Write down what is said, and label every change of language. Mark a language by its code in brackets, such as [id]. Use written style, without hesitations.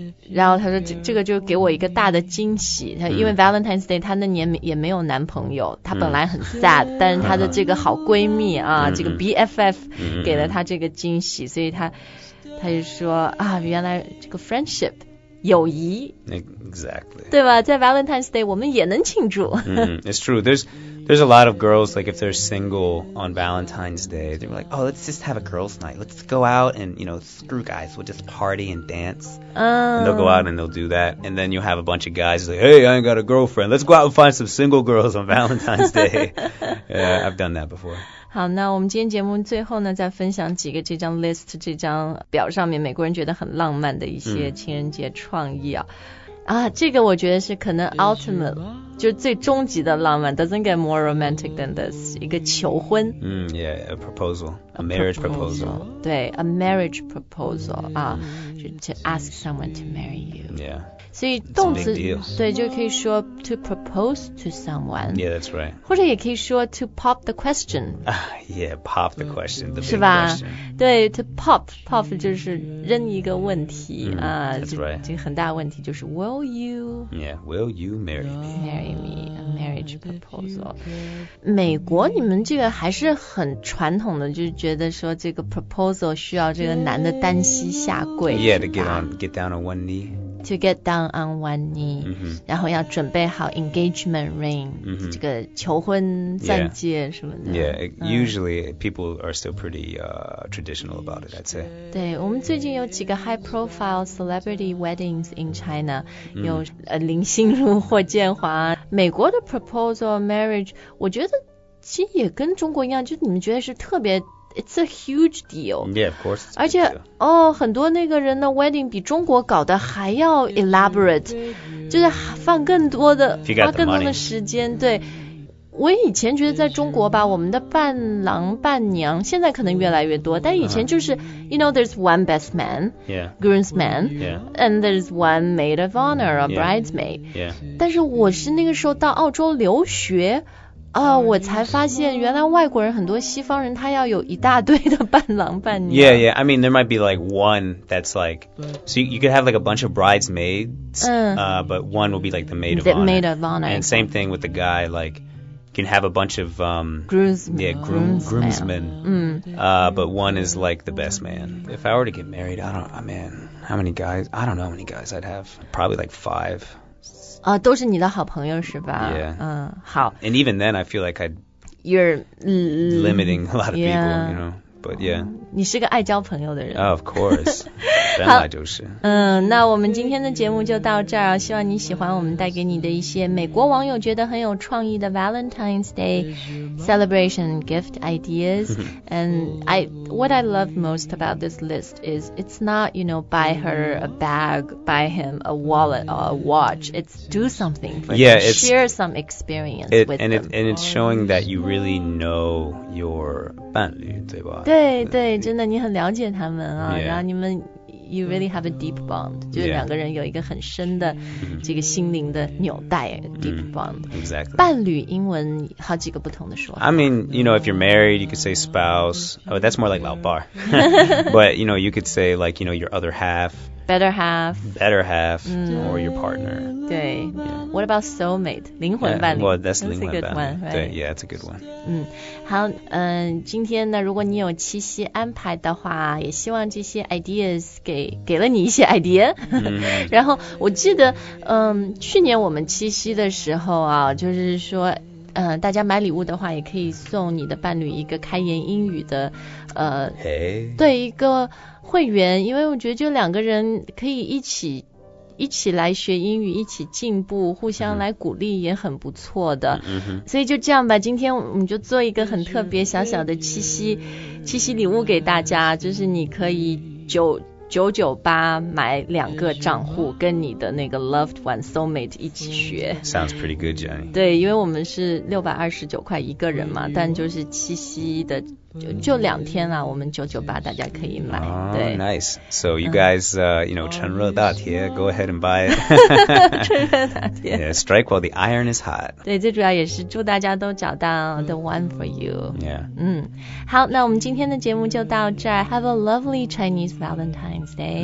[zh] 然后他说 这个就给我一个大的惊喜他因为 Valentine's Day 他那年也没有男朋友他本来很 sad 但是他的这个好闺蜜啊这个 BFF 给了他这个惊喜所以他就说啊原来这个 friendship友谊 [en] Exactly [zh] 对吧在 Valentine's Day 我们也能庆祝、 [en] It's true There's a lot of girls like if they're single on Valentine's Day they're like oh let's just have a girls night let's go out and you know screw guys we'll just party and dance、and they'll go out and they'll do that and then you'll have a bunch of guys like hey I ain't got a girlfriend let's go out and find some single girls on Valentine's Day yeah, I've done that before [zh] 好那我们今天节目最后呢再分享几个这张 list 这张表上面美国人觉得很浪漫的一些情人节创意啊、这个我觉得是可能 ultimate 就是最终极的浪漫 [en] doesn't get more romantic than this [zh] 一个求婚、 [en] yeah, a proposal a marriage proposal 对 a marriage proposal 啊、to ask someone to marry you yeah [zh] 所以动词对就可以说 [en] to propose to someone yeah that's right [zh] 或者也可以说 [en] to pop the question、 yeah pop the question the [zh] 是吧 [en] big question. [zh] 对 to pop 就是扔一个问题、 [en] that's right [zh] 这个很大问题就是 will [en] will you marry me? Marry me, a marriage proposal. [zh] 美国你们这个还是很传统的，就是觉得说这个 proposal 需要这个男的单膝下跪。 [en] Yeah, to get down on one knee. To get down on one knee,、 mm-hmm. [zh] 然后要准备好 engagement ring,、 [en] mm-hmm. [zh] 这个求婚钻戒什么的。 [en] Yeah, usually people are still pretty traditional about it, I'd say. 对， [zh] 我们最近有几个 [en] high profile celebrity weddings in China,、 mm-hmm. [zh] 有林心如、霍建华。美国的 proposal marriage, 我觉得其实也跟中国一样，就你们觉得是特别。 [en] It's a huge deal. Yeah, of course. [zh] 而且哦，很多那个人的 wedding 比中国搞得还要 elaborate， 就是放更多的，花更多的时间。对，我以前觉得在中国吧，我们的伴郎伴娘现在可能越来越多，但以前就是、 [en] uh-huh. ，you know, there's one best man, yeah, groomsman, yeah, and there's one maid of honor, a bridesmaid, yeah. [zh] 但是我是那个时候到澳洲留学。哦、我才发现原来外国人很多西方人他要有一大堆的伴郎伴娘 [en] Yeah, yeah, I mean there might be like one that's like So you could have like a bunch of bridesmaids、But one will be like the maid of the honor maid of honor And same thing with the guy like You can have a bunch of Groomsmen Yeah, groomsmen、But one is like the best man If I were to get married, I don't know, man How many guys? I don't know how many guys I'd have Probably like five [zh] 都是你的好朋友是吧 [en] Yeah. [zh] 好。 [en] And even then, I feel like I'd... You're... Limiting a lot of people, you know. But yeah. [zh] 你是个爱交朋友的人。 [en] Of course. [zh] 本来就是。那我们今天的节目就到这儿。希望你喜欢我们带给你的一些美国网友觉得很有创意的 [en] Valentine's Day celebration gift ideas. And what I love most about this list is it's not, you know, buy her a bag, buy him a wallet or a watch. It's do something for yeah, them. It's, share some experience it, with and them. And it's showing that you really know your [zh] 伴侣对吧对对真的你很了解他们啊、 [en] yeah. [zh] 然后你们 [en] you really have a deep bond [zh] 就是两个人有一个很深的这个心灵的纽带、 [en] yeah. deep bond、 mm-hmm. exactly [zh] 伴侣英文好几个不同的说法 [en] I mean you know if you're married you could say spouse oh that's more like 老伴 but you know you could say like you know your other half better half better half、mm-hmm. or your partner [zh] 对、 [en] yeah. what about soulmate 灵魂伴侣 well that's 灵魂伴侣 that's a good one、right? 对 yeah it's a good one [zh] 嗯好今天呢如果你有七夕安排的话也希望这些 ideas 给了你一些 idea、 [en] mm-hmm. [zh] 然后我记得去年我们七夕的时候啊就是说大家买礼物的话也可以送你的伴侣一个开言英语的 [en] hey. [zh] 对一个会员因为我觉得就两个人可以一起来学英语一起进步互相来鼓励也很不错的、 [en] mm-hmm. [zh] 所以就这样吧今天我们就做一个很特别小小的七夕礼物给大家就是你可以998买两个账户跟你的那个 [en] loved one soulmate [zh] 一起学 [en] sounds pretty good Johnny [zh] 对因为我们是629块一个人嘛但就是七夕的就两天啦、啊、我们998大家可以买、 [en] oh, [zh] 对 [en] nice so you guys you know [zh] 趁热打铁 [en] go ahead and buy it [zh] 趁热打铁 [en] yeah, strike while the iron is hot [zh] 对最主要也是祝大家都找到 [en] the one for you yeah [zh] 好那我们今天的节目就到这儿 [en] have a lovely Chinese Valentine's Day